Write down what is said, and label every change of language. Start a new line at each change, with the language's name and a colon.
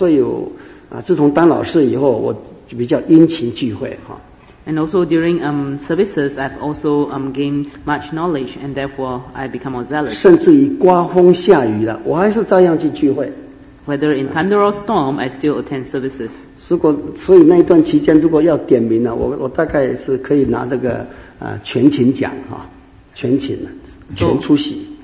Chinese: 而且在聚会当中也有实际的领受了，所以自从当老师以后，我 就比较殷勤聚会。
English: And also during services, I've also gained much knowledge, and therefore I become more zealous.
Chinese: 甚至于刮风下雨了，我还是照样去聚会。
English: Whether in thunder or storm, I still attend services.
Chinese: 所以那一段期间，如果要点名呢，我大概是可以拿这个全勤奖，全勤，全出席。